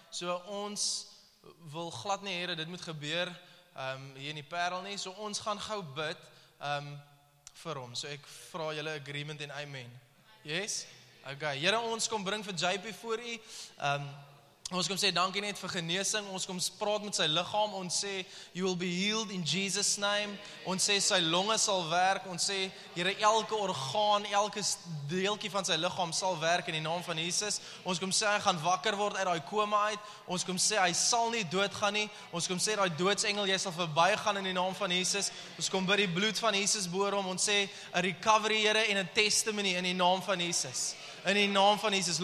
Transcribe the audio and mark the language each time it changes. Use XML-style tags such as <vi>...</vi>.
<af>So ons wil glad nie hê dit moet gebeur hier in die Parel nie. So ons gaan gou bid vir hom. So ek vra julle agreement en amen.</af> <en>Yes. Okay.</en> <af>Here, ons kom bring vir JP voor u. Ons kom sê dankie net vir genesing. Ons kom praat met sy liggaam. Ons sê</af> <en>you will be healed in Jesus name.</en> <af>Ons sê sy longe sal werk. Ons sê Here, elke orgaan, elke deeltjie van sy liggaam sal werk in die naam van Jesus. Ons kom sê hy gaan wakker word uit daai koma uit. Ons kom sê hy sal nie doodgaan nie. Ons kom sê daai doodsengel, jy sal verbygaan in die naam van Jesus. Ons kom bid die bloed van Jesus boor hom. Ons sê</af> <en>a recovery,</en> <af>Here, en</af> <en>a testimony</en> <af>in die naam van Jesus. In die naam van Jesus.</af>